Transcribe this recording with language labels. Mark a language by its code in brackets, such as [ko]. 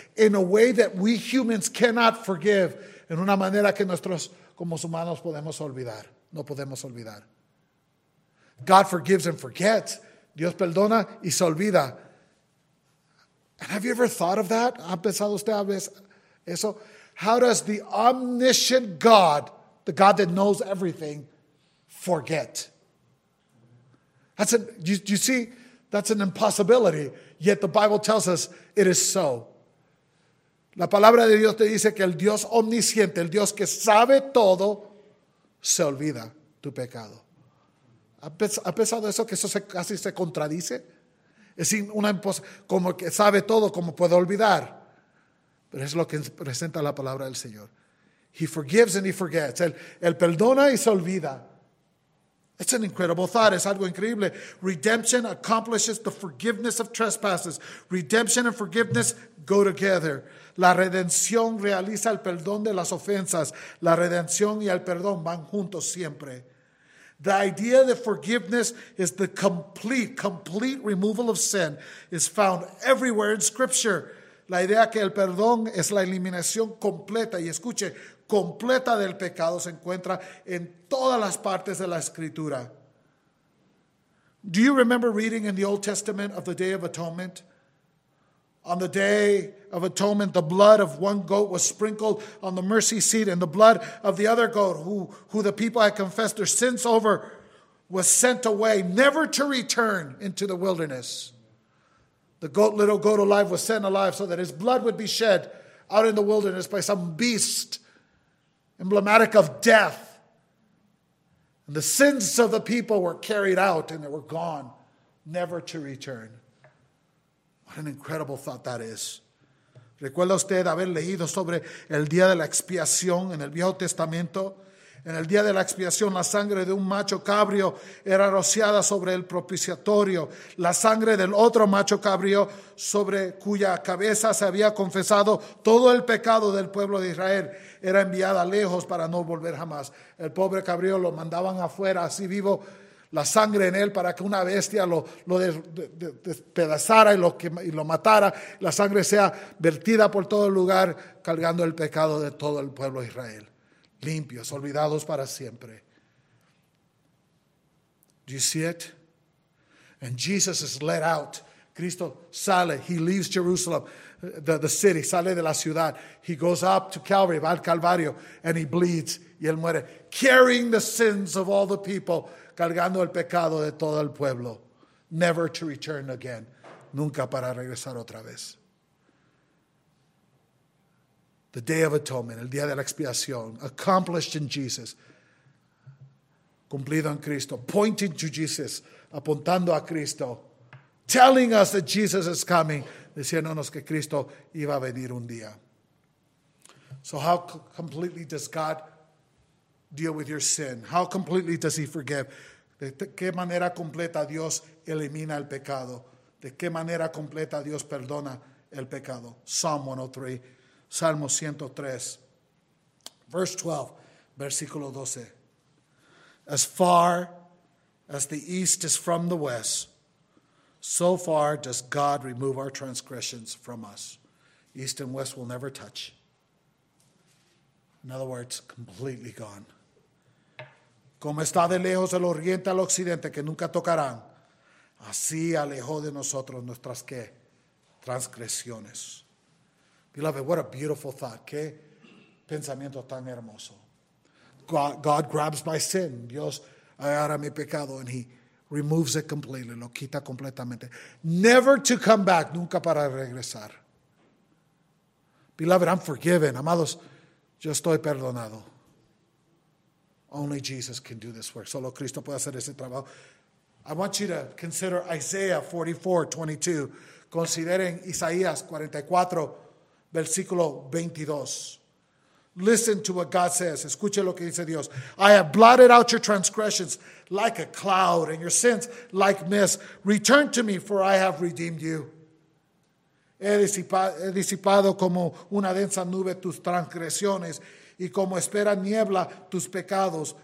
[en] In a way that we humans cannot forgive. [es] En una manera que nosotros como humanos podemos olvidar. No podemos olvidar. [en] God forgives and forgets. [es] Dios perdona y se olvida. [en] And have you ever thought of that? [es] ¿Ha pensado usted a veces eso? [en] How does the omniscient God, the God that knows everything, forget? Do you see? That's an impossibility. Yet the Bible tells us it is so. [es] La palabra de Dios te dice que el Dios omnisciente, el Dios que sabe todo, se olvida tu pecado. ¿Ha pensado eso? Que eso casi se contradice. Es una como que sabe todo, como puede olvidar. Pero es lo que presenta la palabra del Señor. [en] He forgives and he forgets. [es] Él perdona y se olvida. [en] It's an incredible thought. [es] Es algo increíble. [en] Redemption accomplishes the forgiveness of trespasses. Redemption and forgiveness go together. [es] La redención realiza el perdón de las ofensas. La redención y el perdón van juntos siempre. [en] The idea that forgiveness is the complete, complete removal of sin is found everywhere in Scripture. [es] La idea que el perdón es la eliminación completa, y escuche, completa del pecado, se encuentra en todas las partes de la Escritura. [en] Do you remember reading in the Old Testament of the Day of Atonement? On the Day of Atonement, the blood of one goat was sprinkled on the mercy seat, and the blood of the other goat, who the people had confessed their sins over, was sent away, never to return into the wilderness. The goat, little goat alive, was sent alive so that his blood would be shed out in the wilderness by some beast, emblematic of death. And the sins of the people were carried out, and they were gone, never to return. What an incredible thought that is. [es] ¿Recuerda usted haber leído sobre el día de la expiación en el Viejo Testamento? En el día de la expiación, la sangre de un macho cabrio era rociada sobre el propiciatorio. La sangre del otro macho cabrio, sobre cuya cabeza se había confesado todo el pecado del pueblo de Israel, era enviada lejos para no volver jamás. El pobre cabrío lo mandaban afuera, así vivo, la sangre en él para que una bestia lo despedazara y lo matara. La sangre sea vertida por todo el lugar, cargando el pecado de todo el pueblo de Israel. Limpios, olvidados para siempre. [en] Do you see it? And Jesus is let out. [es] Cristo sale. [en] He leaves Jerusalem, the city. [es] Sale de la ciudad. [en] He goes up to Calvary, [es] va al Calvario, [en] and he bleeds. [es] Y él muere. [en] Carrying the sins of all the people. [es] Cargando el pecado de todo el pueblo. [en] Never to return again. [es] Nunca para regresar otra vez. [en] The Day of Atonement, [es] el día de la expiación, [en] accomplished in Jesus, [es] cumplido en Cristo, [en] pointing to Jesus, [es] apuntando a Cristo, [en] telling us that Jesus is coming, [es] diciéndonos que Cristo iba a venir un día. [en] So how completely does God deal with your sin? How completely does he forgive? [es] ¿De qué manera completa Dios elimina el pecado? ¿De qué manera completa Dios perdona el pecado? [en] Psalm 103. [es] Salmo 103, [en] verse 12, [es] versículo 12. [en] As far as the east is from the west, so far does God remove our transgressions from us. East and west will never touch. In other words, completely gone. [es] Como está de lejos el oriente al occidente, que nunca tocarán, así alejó de nosotros nuestras qué? Transgresiones. [en] Beloved, what a beautiful thought. [es] Qué pensamiento tan hermoso. [en] God grabs my sin. [es] Dios agarra mi pecado [en] and he removes it completely. [es] Lo quita completamente. [en] Never to come back. [es] Nunca para regresar. [en] Beloved, I'm forgiven. [es] Amados, yo estoy perdonado. [en] Only Jesus can do this work. [es] Solo Cristo puede hacer ese trabajo. [en] I want you to consider Isaiah 44:22. [es] Consideren Isaías 44. Versículo 22. [en] Listen to what God says. [es] Escuche lo que dice Dios. [en] I have blotted out your transgressions like a cloud and your sins like mist. Return to me, for I have redeemed you. [es] He disipado como una densa nube tus transgresiones y como espera niebla tus pecados.